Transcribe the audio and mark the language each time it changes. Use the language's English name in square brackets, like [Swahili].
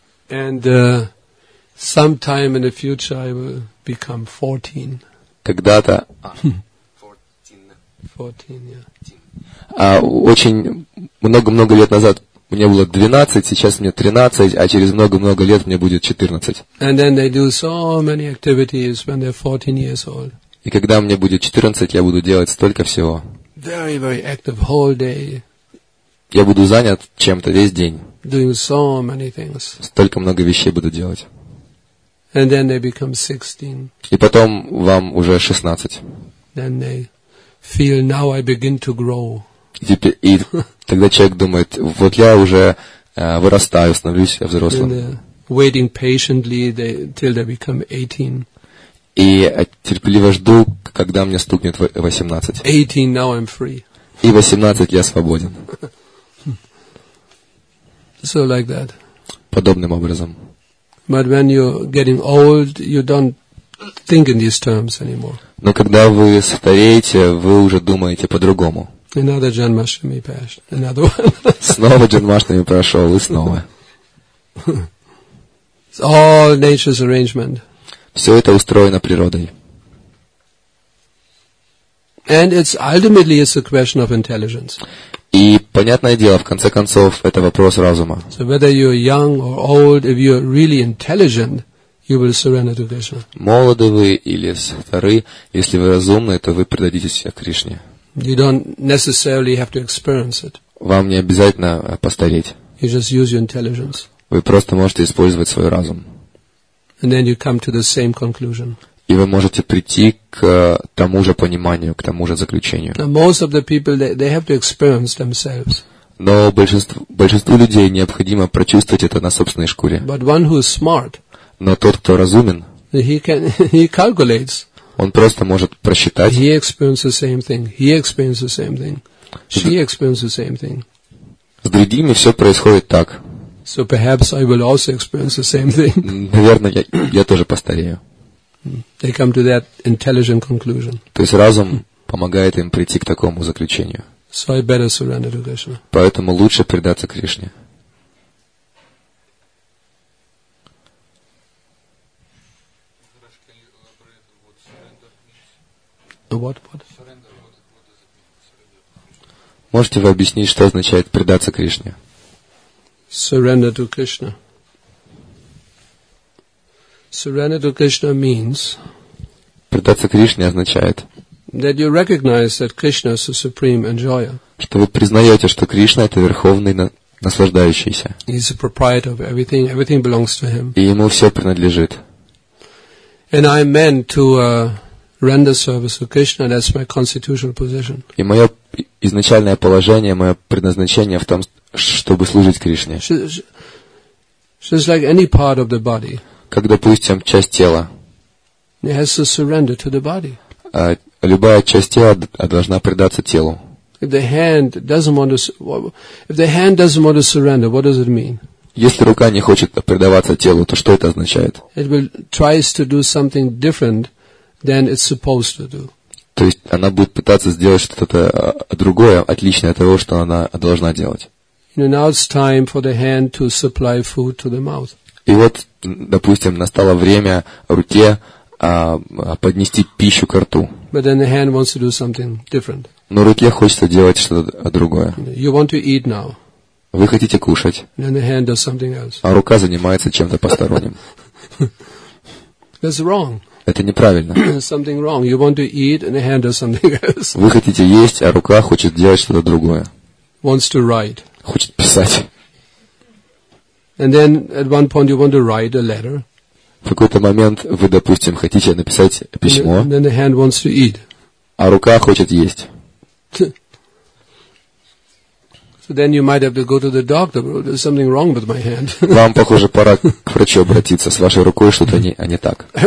[English] And sometime in the future, I will become 14. [Russian] Когда-то... [English] 14, yeah. [Russian] Очень много-много лет назад мне было 12, сейчас мне 13, а через много-много лет мне будет 14. И когда мне будет 14, я буду делать столько всего. [English] Very, very active whole day. [Russian] Я буду занят чем-то весь день. [English] Doing so many things. [Russian] Столько много вещей буду делать. [English] And then they become 16. [Russian] И потом вам уже 16. [English] Then they feel now I begin to grow. [Russian] И тогда человек думает, вот я уже вырастаю, становлюсь взрослым. [English] Waiting patiently they, till they become 18. [Russian] И терпеливо жду, когда мне стукнет 18. [English] 18, now I'm free. [Russian] И 18 я свободен. [English] So like that. [Russian] Подобным образом. [English] But when you're getting old, you don't think in these terms anymore. [Russian] Но когда вы стареете, вы уже думаете по-другому. [English] Another Janmashtami passed. Another one. [Russian] Снова Janmashtami прошел, и снова. [English] It's all nature's arrangement. [Russian] Все это устроено природой. [English] And it's ultimately it's a question of intelligence. [Russian] И понятное дело, в конце концов, это вопрос разума. [English] So whether you're young or old, if you're really intelligent, you will surrender to Krishna. [Russian] Молоды вы или стары, если вы разумны, то вы предадитесь Кришне. [English] You don't necessarily have to experience it. [Russian] Вам не обязательно постареть. [English] You just use your intelligence. [Russian] Вы просто можете использовать свой разум. [English] And then you come to the same conclusion. [Russian] И вы можете прийти к тому же пониманию, к тому же заключению. [English] Now most of the people they have to experience themselves. [Russian] Но большинству людей необходимо прочувствовать это на собственной шкуре. [English] But one who is smart. [Russian] Но тот, кто разумен. [English] He calculates. [Russian] Он просто может просчитать. [English] He experiences the same thing. He experiences the same thing. She experiences the same thing. [Russian] С другими все происходит так. [English] So perhaps I will also experience the same thing. [Russian] Наверное, я тоже постарею. [English] They come to that intelligent conclusion. [Russian] То есть разум помогает им прийти к такому заключению. [English] So I better surrender to Krishna. [Russian] Поэтому лучше предаться Кришне. [English] What? [Russian] Можете вы объяснить, что означает предаться Кришне? [English] Surrender to Krishna. Surrender to Krishna means. [Russian] Предаться Кришне означает. [English] That you recognize that Krishna is the supreme enjoyer. [Russian] Что вы признаете, что Кришна это верховный наслаждающийся. [English] He's the proprietor of everything. Everything belongs to him. [Russian] И ему все принадлежит. [English] And I meant to. Render service to Krishna, that's my constitutional position. [Russian] И мое изначальное положение, мое предназначение в том, чтобы служить Кришне. [English] Just like any part of the body. [Russian] Как, допустим, часть тела. [English] It has to surrender to the body. [Russian] Любая часть тела должна предаться телу. [English] If the hand doesn't want to surrender, what does it mean? [Russian] Если рука не хочет предаваться телу, то что это означает? [English] It will tries to do something different. Then it's supposed to do. [Russian] То есть она будет пытаться сделать что-то другое, отличное от того, что она должна делать. [English] And now it's time for the hand to supply food to the mouth. [Russian] И вот, допустим, настало время руке поднести пищу ко рту. [English] But then the hand wants to do something different. [Russian] Но руке хочется делать что-то другое. [English] You want to eat now. [Russian] Вы хотите кушать. [English] And then the hand does something else. [Russian] А рука занимается чем-то посторонним. [English] That's wrong. [Russian] Это неправильно. [English] Something wrong. You want to eat and the hand does something else. [Russian] Вы хотите есть, а рука хочет делать что-то другое. [English] Wants to write. [Russian] Хочет писать. [English] And then at one point you want to write a letter. [Russian] в какой-то момент вы, допустим, хотите написать письмо, а рука хочет есть. Вам, похоже, пора к врачу обратиться. С вашей рукой что-то не так.